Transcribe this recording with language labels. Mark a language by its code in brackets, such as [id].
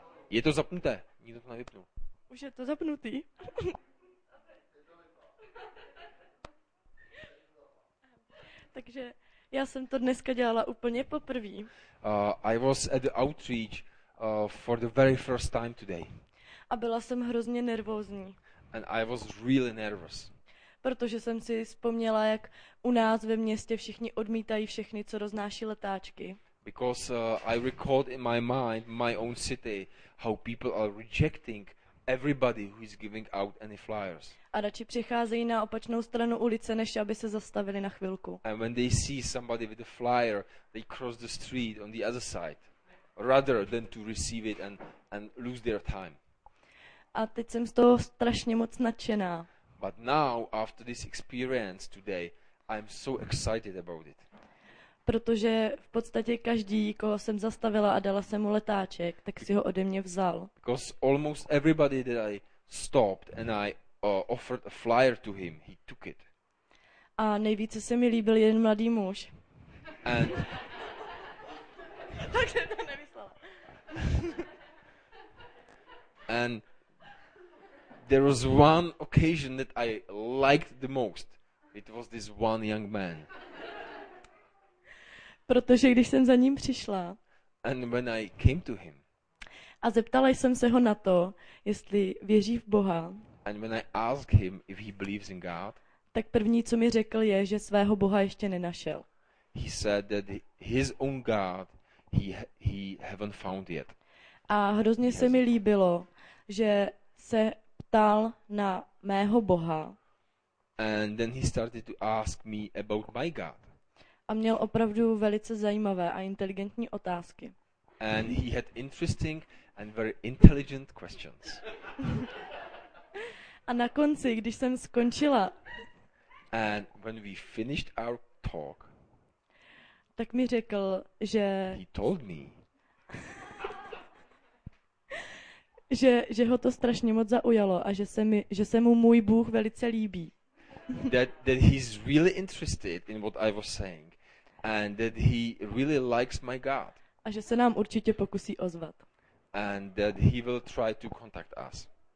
[cs] Je to zapnuté, nikdo to nevypnul. Už je to zapnutý. Takže já jsem to dneska dělala úplně poprvý. [en] I was at the outreach for the very first time today. [cs] A byla jsem hrozně nervózní. [en] And I was really nervous. [cs] Protože jsem si vzpomněla, jak u nás ve městě všichni odmítají všechny, co roznáší letáčky. [en] Because I recalled in my mind my own city how people are rejecting everybody who is giving out any flyers. [cs] A radši přicházejí na opačnou stranu ulice, než aby se zastavili na chvilku. [en] And when they see somebody with a flyer, they cross the street on the other side, rather than to receive it and lose their time. [cs] A teď jsem z toho strašně moc nadšená. [en] But now, after this experience today, I'm so excited about it. [cs] Protože v podstatě každý, koho jsem zastavila a dala jsem mu letáček, tak si ho ode mě vzal. [en] Because almost everybody that I stopped and I offered a flyer to him, he took it. [cs] A nejvíce se mi líbil jeden mladý muž. [en] And [cs] Tak jsem to nemyslela. [en] And there was one occasion that I liked the most. It was this one young man. [cs] Protože když jsem za ním přišla. [en] And when I came to him. [cs] A zeptala jsem se ho na to, jestli věří v Boha. [en] And when I asked him if he believes in God. [cs] Tak první, co mi řekl, je, že svého Boha ještě nenašel. [en] He said that his own God he haven't found yet. [cs] A hrozně se mi líbilo, že se ptal na mého Boha. [en] And then he started to ask me about my God. [cs] A měl opravdu velice zajímavé a inteligentní otázky. [en] And he had interesting and very intelligent questions. [cs] A na konci, když jsem skončila. [en] And when we finished our talk. [cs] Tak mi řekl, že. [en] He told me. [cs] že ho to strašně moc zaujalo a že se mu můj Bůh velice líbí. [en] That he's really interested in what I was saying and that he really likes my God. [cs] A že se nám určitě pokusí ozvat. [en] And that he will try to contact us.